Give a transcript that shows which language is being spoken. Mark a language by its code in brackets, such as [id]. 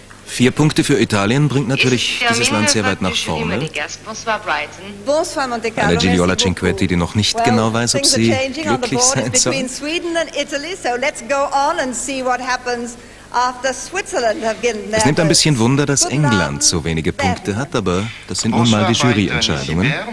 [de] 4 Punkte für Italien bringt natürlich dieses Land sehr weit nach vorne. [fr] Bonsoir Monte Carlo. [de] Eine Giliola Cinquetti, die noch nicht genau weiß, ob sie glücklich sein soll. [en] Between Sweden and Italy, so let's go on and see what happens after Switzerland have given their. [de] Es nimmt ein bisschen Wunder, dass England so wenige Punkte hat, aber das sind nun mal die Juryentscheidungen.